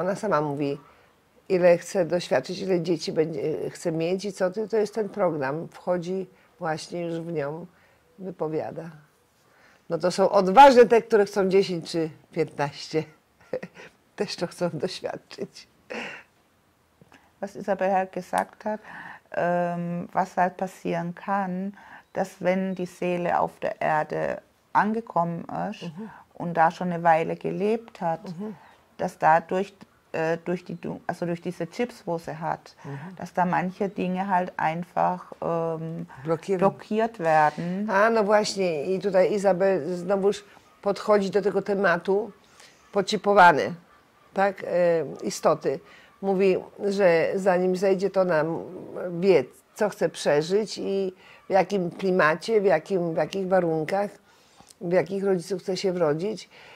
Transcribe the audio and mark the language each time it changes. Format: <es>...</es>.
<pl>Ona sama mówi, ile chce doświadczyć, ile dzieci będzie, chce mieć i co, to jest ten program. Wchodzi właśnie już w nią, wypowiada. No to są odważne te, które chcą 10 czy 15. Też to chcą doświadczyć.</pl> <de>Was Isabel halt gesagt hat, was halt passieren kann, dass wenn die Seele auf der Erde angekommen ist und da schon eine Weile gelebt hat, dass dadurch durch diese Chips, wo sie hat, dass da manche Dinge halt einfach blockiert werden.</de> <pl>A no właśnie, i tutaj Izabel znowuż podchodzi do tego tematu poczipowany, tak, istoty. Mówi, że zanim zejdzie, to ona wie, co chce przeżyć i w jakim klimacie, w jakich warunkach, w jakich rodziców chce się wrodzić.</pl>